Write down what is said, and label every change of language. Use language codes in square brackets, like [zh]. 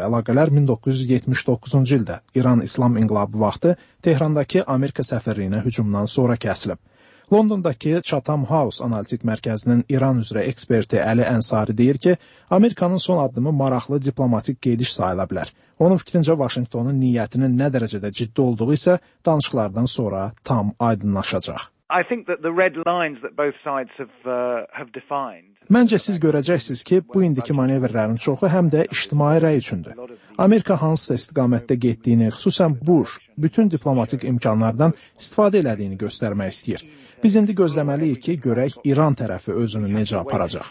[az] Əlaqələr 1979-cu ildə İran İslam İnqilabı vaxtı Tehrandakı Amerika səfirliyinə hücumdan sonra kəsilib. Londondakı Chatham House analitik mərkəzinin İran üzrə eksperti Əli Ənsari deyir ki, Amerikanın son addımı maraqlı diplomatik gediş sayıla bilər. Onun fikrincə Vaşinqtonun niyyətinin nə dərəcədə ciddi olduğu isə danışıqlardan sonra tam aydınlaşacaq. [en] I think that the red lines that both sides have defined. [az] Məncə siz görəcəksiniz ki, bu indiki manevrlərin çoxu həm də ictimai rəy üçündür. Amerika hansı istiqamətdə getdiyini, xüsusən Bush, bütün diplomatik imkanlardan istifadə elədiyini göstərmək istəyir. Biz indi gözləməliyik ki, görək İran tərəfi özünü necə aparacaq.